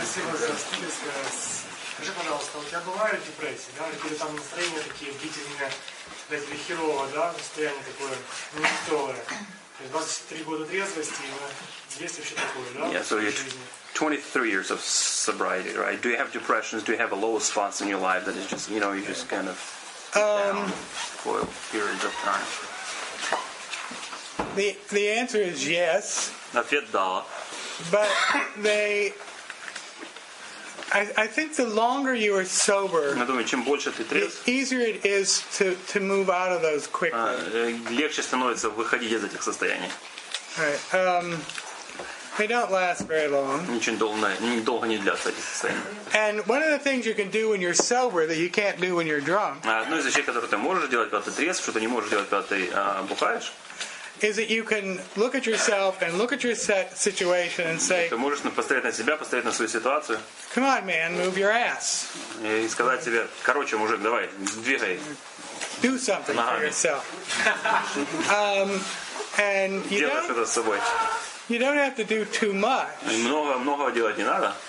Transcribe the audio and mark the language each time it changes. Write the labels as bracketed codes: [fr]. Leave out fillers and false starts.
[ru] Скажи, пожалуйста, у тебя бывают депрессии, да, или там настроения такие длительные, такие херовые, да, настроение такое нехитовое. То есть 23 года трезвости, есть вообще такое, да? [en] Yeah, so 23 years of sobriety, right? Do you have depressions? Do you have a low spots in your life that is just, you know, you just kind of down for periods of time? The answer is yes. [ru] Ответ да. [en] But they. I think the longer you are sober, the easier it is to move out of those quickly. [ru] Легче становится выходить из этих состояний. [en] They don't last very long. [ru] Долго не длятся эти состояния. [en] And one of the things you can do when you're sober that you can't do when you're drunk. [ru] Одно из вещей, которые ты можешь делать, когда ты трезв, что ты не можешь делать, когда ты бухаешь. [en] Is that you can look at yourself and look at your situation and say, [ru] ты можешь посмотреть на себя, посмотреть на свою ситуацию. [en] Come on, man, move your ass. [ru] И сказать себе, короче, мужик, давай, двигай. [en] Do something [ru] ногами. [en] For yourself. And you [ru] делай [en] don't. [ru] Что-то с собой. [en] You don't have to do too much. [ru] Много делать не надо.